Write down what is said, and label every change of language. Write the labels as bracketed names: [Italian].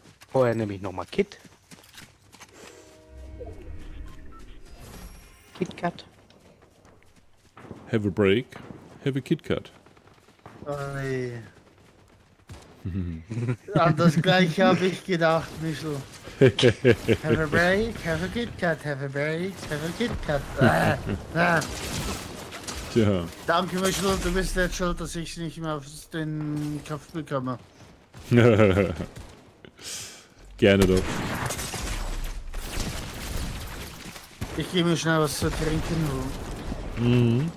[German] Vorher nehme ich nochmal Kit. KitKat. [English] Have a break. Have a KitKat. [German] An das gleiche habe ich gedacht, Michel. [English] Have a break, have a KitKat, have a break, have a KitKat. [German] Tja. Danke, Michel, du bist jetzt schuld, dass ich es nicht mehr auf den Kopf bekomme. Gerne doch. Ich gebe mir schnell was zu trinken. Mhm.